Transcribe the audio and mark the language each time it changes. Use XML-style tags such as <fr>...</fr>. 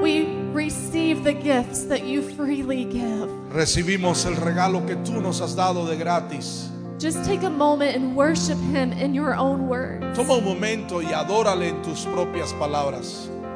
<en>We receive the gifts that you freely give.</en> <es>Recibimos el regalo que tú nos has dado de gratis.</es> <en>Just take a moment and worship him in your own words.</en> <es>Toma un momento y adórale en tus propias palabras.</es>